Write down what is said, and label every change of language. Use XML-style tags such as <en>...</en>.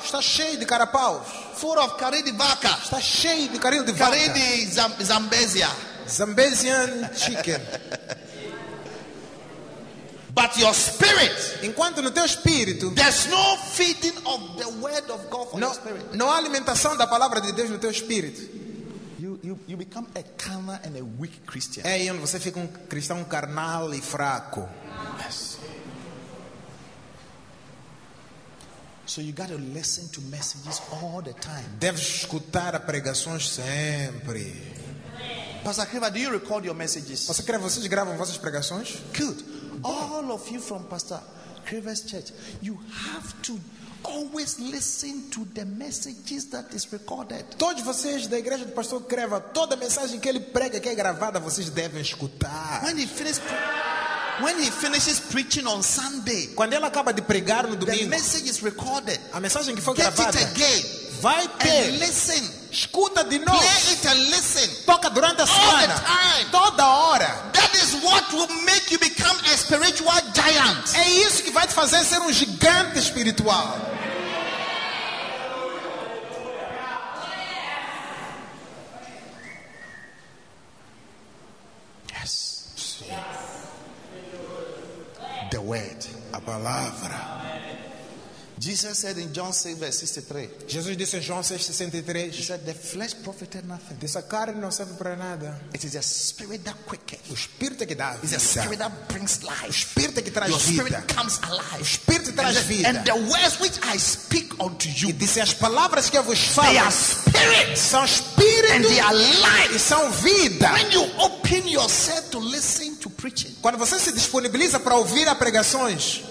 <pt>Está cheio de carapau.</pt> <en>Full of</en> <pt>carne de vaca. Está cheio de carne de vaca. Carne de Zambezia.</pt> <en>Zambezian chicken. But your spirit,</en> <pt>enquanto no teu espírito,</pt> <en>there's no feeding of the word of God for your spirit.</en> <pt>Não há alimentação da palavra de Deus no teu espírito.</pt> <en>You become a carnal and a weak Christian.</en> <pt>É, e você fica cristão carnal e fraco.</pt> <en>Yes. So you got to listen to messages all the time.</en> <pt>Deve escutar a pregações sempre.</pt> <en>Pastor Kriva, do you record your messages?</en> <pt>Pastor Kriva, vocês gravam vossas pregações?</pt> <en>Good. All of you from Pastor Kriva's church, you have to always listen to the messages that is recorded.</en> <pt>Todos vocês da igreja do pastor Creva, toda mensagem que ele prega, que é gravada, vocês devem escutar.</pt> <en>When he finishes preaching on Sunday,</en> <pt>quando ele acaba de pregar no domingo,</pt> <en>the message is recorded.</en> <pt>A mensagem que foi</pt> <en>get</en> <pt>gravada.</pt> <en>Get it again.</en> <pt>Vai ter.</pt> <en>And listen.</en> <pt>Escuta de novo.</pt> <en>Play it and listen.</en> <pt>Toca durante a semana.</pt> <en>All the time.</en> <pt>Toda hora.</pt> <en>That is what will make you become a spiritual giant.</en> <pt>É isso que vai te fazer ser gigante espiritual.</pt> <en>Yes.</en> <pt>Sim.</pt> <en>Yes. The word.</en> <pt>A palavra.</pt> <en>Jesus said in John 6 verse 63.</en> <pt>Jesus disse em João 6:63.</pt> <en>He said the flesh profited nothing.</en> <pt>Disse a carne não serve para nada.</pt> <en>It is the spirit that quickens.</en> <pt>O espírito que dá vida.</pt> <en>It's the spirit that brings life.</en> <pt>O espírito que traz</pt> <en>your</en> <pt>vida.</pt> <en>Your spirit comes alive.</en> <pt>O espírito traz</pt> <en>and</en> <pt>vida.</pt> <en>And the words which I speak unto you.</en> <pt>E disse as palavras que eu vos falo.</pt> <en>They are spirit.</en> <pt>São espírito.</pt> <en>And they are life.</en> <pt>E são vida.</pt> <en>When you open yourself to listen to preaching.</en> <pt>Quando você se disponibiliza para ouvir a pregações,</pt>